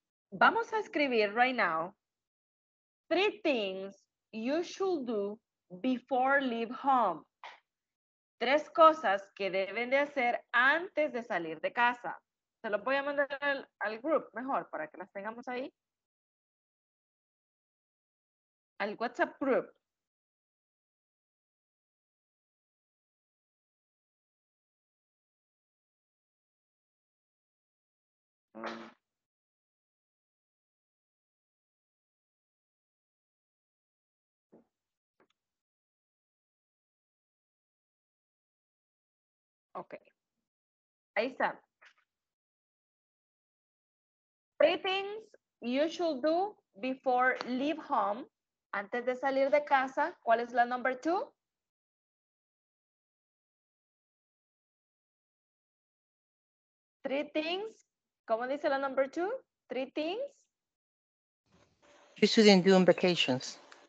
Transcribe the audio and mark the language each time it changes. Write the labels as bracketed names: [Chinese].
[Spanish] Vamos a escribir [English] right now three things you should do before leave home. [Spanish] Tres cosas que deben de hacer antes de salir de casa. Se los voy a mandar al group mejor para que las tengamos ahí. Al WhatsApp group. Okay, ahí está. [English] Three things you should do before leave home, [Spanish] Antes de salir de casa, ¿cuál es la [English] number two? Three things. [Spanish] ¿Cómo dice la [English] number two? Three things. You shouldn't do on vacations.